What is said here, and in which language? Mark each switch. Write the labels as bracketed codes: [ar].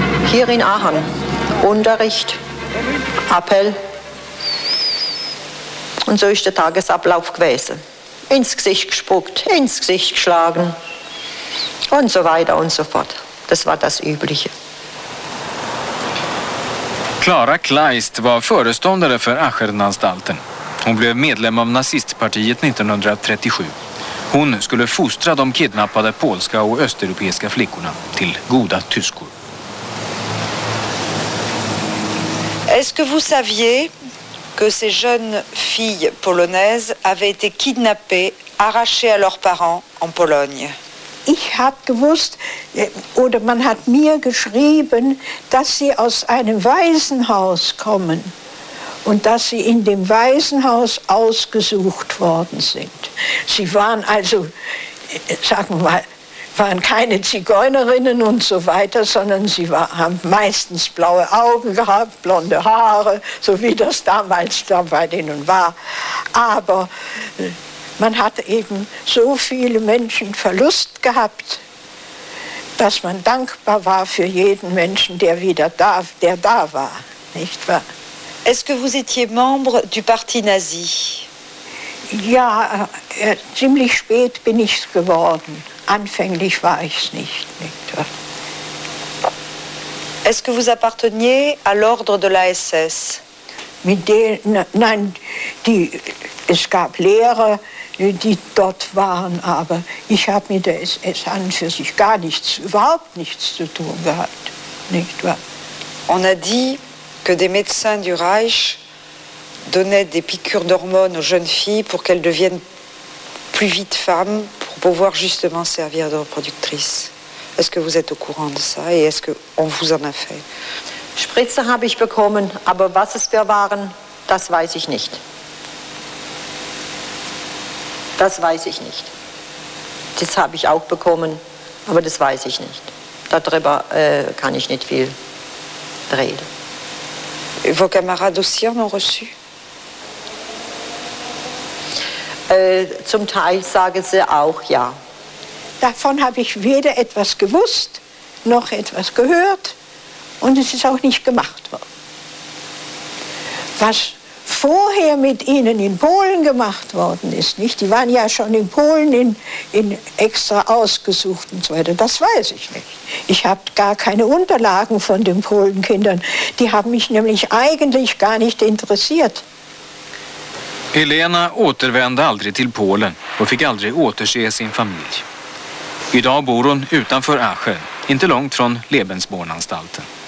[de] Hier in Aachen, Unterricht, Appell und so ist der Tagesablauf gewesen. Ins Gesicht gespuckt, ins Gesicht geschlagen und so weiter und so fort. Das war das Übliche. [sv] Clara Kleist war föreståndare för Aschernanstalten. Hon blev medlem av nazistpartiet 1937. Hon skulle fostra de kidnappade polska och östeuropeiska flickorna till goda tyskor. [fr] Est-ce que vous saviez que ces jeunes filles polonaises avaient été kidnappées, arrachées à leurs parents en Pologne? [de] Ich habe gewusst, oder man hat mir geschrieben, dass sie aus einem Waisenhaus kommen und dass sie in dem Waisenhaus ausgesucht worden sind. Sie waren also sagen wir mal, waren keine Zigeunerinnen und so weiter, sondern sie haben meistens blaue Augen gehabt, blonde Haare, so wie das damals da bei denen war. Aber man hat eben so viele Menschen Verlust gehabt, dass man dankbar war für jeden Menschen, der wieder da, der da war, nicht wahr? [fr] Est-ce que vous étiez membre du Parti nazi? [de] Ja, ziemlich spät bin ich es geworden. Anfänglich war ich es nicht, nicht wahr? [fr] Est-ce que vous apparteniez à l'ordre de la SS? [de] Mit denen, nein, die, es gab Lehrer, die dort waren, aber ich habe mit der SS an für sich gar nichts, überhaupt nichts zu tun gehabt, nicht wahr? [fr] On a dit que des médecins du Reich donnaient des piqûres d'hormones aux jeunes filles pour qu'elles deviennent plus vite femmes, pour pouvoir justement servir de reproductrice. Est-ce que vous êtes au courant de ça et est-ce qu'on vous en a fait? [de] Spritze habe ich bekommen, aber was es für waren, das weiß ich nicht. Das weiß ich nicht. Das habe ich auch bekommen, aber das weiß ich nicht. Darüber kann ich nicht viel reden. [fr] Et vos camarades aussi en ont reçu? [de] Zum Teil sagen sie auch ja. Davon habe ich weder etwas gewusst, noch etwas gehört. Und es ist auch nicht gemacht worden. Was vorher mit ihnen in Polen gemacht worden ist, nicht? Die waren ja schon in Polen in extra ausgesucht und so weiter. Das weiß ich nicht. Ich habe gar keine Unterlagen von den Polenkindern. Die haben mich nämlich eigentlich gar nicht interessiert. [sv] Helena återvände aldrig till Polen och fick aldrig återse sin familj. Idag bor hon utanför Aschen, inte långt från Lebensbornanstalten.